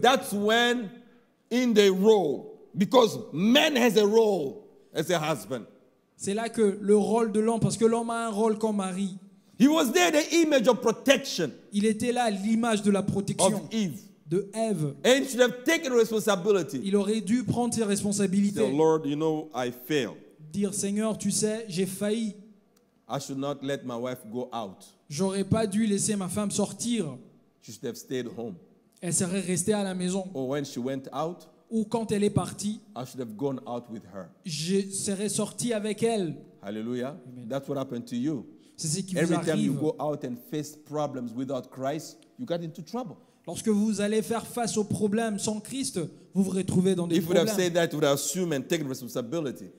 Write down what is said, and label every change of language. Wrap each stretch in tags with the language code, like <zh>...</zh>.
<en>That's when in the role, because man has a role as a husband.</en> <fr>C'est là que le rôle de l'homme, parce que l'homme a un rôle comme mari.</fr> <en>He was there, the image of protection.</en> <fr>Il était là l'image de la protection</fr> <en>of Eve.</en> <fr>De Ève.</fr> <en>And he should have taken responsibility.</en> <fr>Il aurait dû prendre ses responsabilités.</fr> <en>Say, Lord, you know, I failed.</en> <fr>Dire, Seigneur, tu sais, j'ai failli.</fr> <en>I should not let my wife go out.</en> <fr>J'aurais pas dû laisser ma femme sortir.</fr> <en>She should have stayed home.</en> <fr>Elle serait restée à la maison.</fr> <en>Or when she went out,</en> <fr>ou quand elle est partie,</fr> <en>I should have gone out with her.</en> <fr>Je serais sorti avec elle.</fr> <en>Hallelujah. That's what happened to you.</en> <fr>C'est ce qui</fr> <en>Every</en> <fr>vous arrive.</fr> <en>Every time you go out and face problems without Christ, you get into trouble.</en> <fr>Lorsque vous allez faire face aux problèmes sans Christ, vous vous retrouvez dans des</fr> <en>If</en> <fr>problèmes.</fr> <en>If you would have said that, would assume and take responsibility.</en>